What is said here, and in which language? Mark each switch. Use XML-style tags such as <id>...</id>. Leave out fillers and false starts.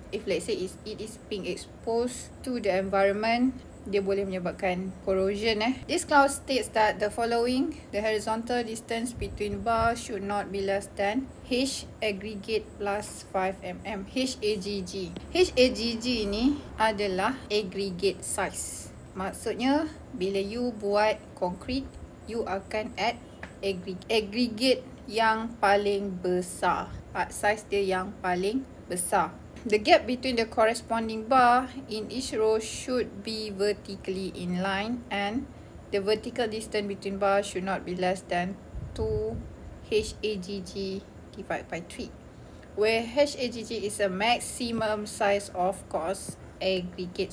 <en>If let's say it is being exposed to the environment,</en> <ms>dia boleh menyebabkan</ms> <en>corrosion eh. This clause states that the following, the horizontal distance between bar should not be less than H aggregate plus 5 mm, HAGG.</en> <ms>HAGG ni adalah aggregate size. Maksudnya, bila you buat concrete, you akan add aggregate yang paling besar. Part size dia yang paling besar.</ms> <en>The gap between the corresponding bar in each row should be vertically in line, and the vertical distance between bar should not be less than 2 HAGG divided by 3. where HAGG is a maximum size of course aggregate.</en>